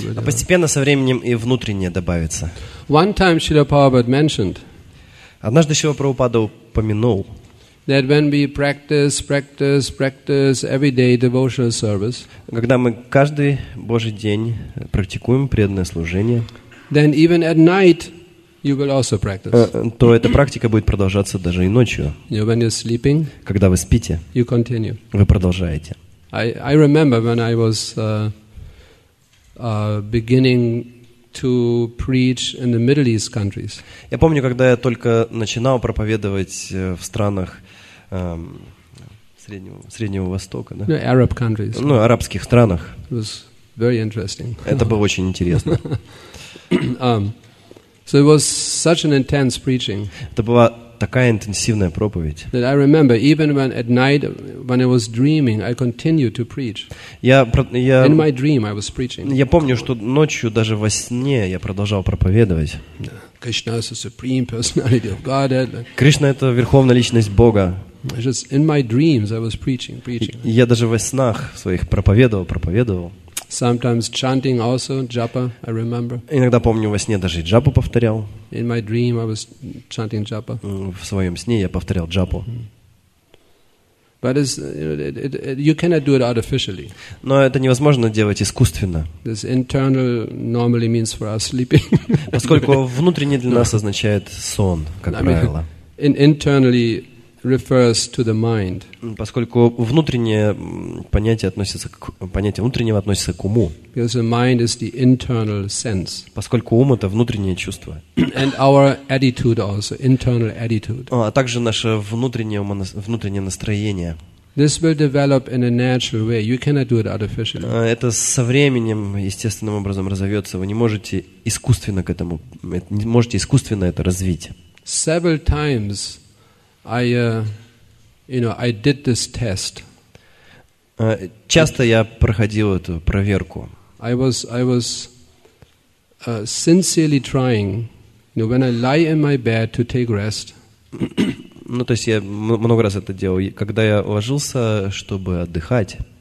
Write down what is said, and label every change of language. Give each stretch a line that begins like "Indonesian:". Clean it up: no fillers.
Russian: А постепенно со временем и внутреннее добавится.
English: One time Srila Prabhupada mentioned.
Russian: Однажды Шрила Прабхупада упомянул.
English: That when we practice everyday devotional service.
Russian: Когда мы каждый божий день практикуем преданное служение.
English: Then even at night you will also practice.
Russian: То эта практика будет продолжаться даже и ночью.
English: You, when you're sleeping,
Russian: когда вы спите,
English: you continue.
Russian: Вы продолжаете.
English: I remember when I was beginning to preach in the Middle East countries.
Russian: Я помню, когда я только начинал проповедовать в странах Среднего Востока, да?
English: No, Arab countries.
Russian: Ну, арабских странах.
English: It was very interesting.
Russian: Это было очень интересно.
English: So it was such an intense preaching.
Russian: Это была такая интенсивная проповедь.
English: That I remember, even when at night, when I was dreaming, I continued to preach. In my dream, I was preaching.
Russian: Я помню, что ночью даже во сне я продолжал проповедовать.
English: Krishna is the supreme personality of Godhead.
Russian: Кришна это верховная личность Бога.
English: Just in my dreams, I was preaching.
Russian: Я даже во снах своих проповедовал.
English: Sometimes chanting also japa, I remember.
Russian: Иногда помню во сне даже джапу повторял.
English: In my dream I was chanting japa.
Russian: В своем сне я повторял джапу.
English: But it's, you know, it, you cannot do it artificially.
Russian: Но это невозможно делать искусственно.
English: This internal normally means for us sleeping.
Russian: Поскольку внутренне для нас означает сон, как правило.
English: Internally refers to the mind.
Russian: Поскольку внутреннее понятие внутреннего относится к уму.
English: Because the mind is the internal sense.
Russian: Поскольку ум это внутреннее чувство.
English: And our attitude also, internal attitude.
Russian: А также наше внутреннее настроение.
English: This will develop in a natural way. You cannot do it artificially.
Russian: Это со временем естественным образом разовьется. Вы не можете искусственно это развить.
English: Several times I did this test.
Russian: Часто я проходил эту проверку.
English: I was sincerely trying, you know, when I lie in my bed to take rest.
Russian: Ну, то есть я много раз это делал, когда я ложился, чтобы отдыхать.